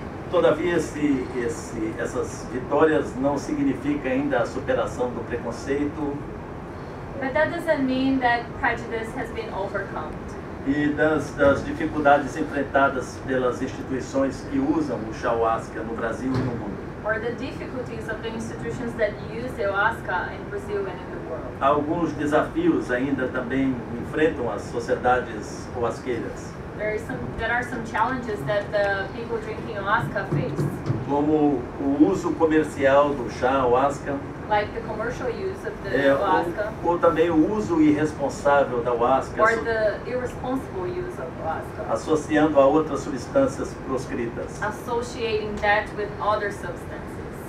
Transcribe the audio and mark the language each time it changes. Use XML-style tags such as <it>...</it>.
<pt>Todavia, essas vitórias não significam ainda a superação do preconceito.</pt> <en>But that doesn't mean that prejudice has been overcome.</en> <pt>E das dificuldades enfrentadas pelas instituições que usam o ayahuasca no Brasil e no mundo.</pt> <en>Or the difficulties of the institutions that use ayahuasca in Brazil and in the world.</en> <pt>Alguns desafios ainda também enfrentam as sociedades huasqueiras.</pt> <en>There are some challenges that the people drinking ayahuasca face.</en> <pt>Como o uso comercial do chá ayahuasca.</pt> <en>Like the commercial use of the ayahuasca.</en> <pt>Ou também o uso irresponsável da ayahuasca.</pt> <en>Or the irresponsible use of ayahuasca.</en> <pt>Associando a outras substâncias proscritas.</pt> <en>Associating that with other substances.</en>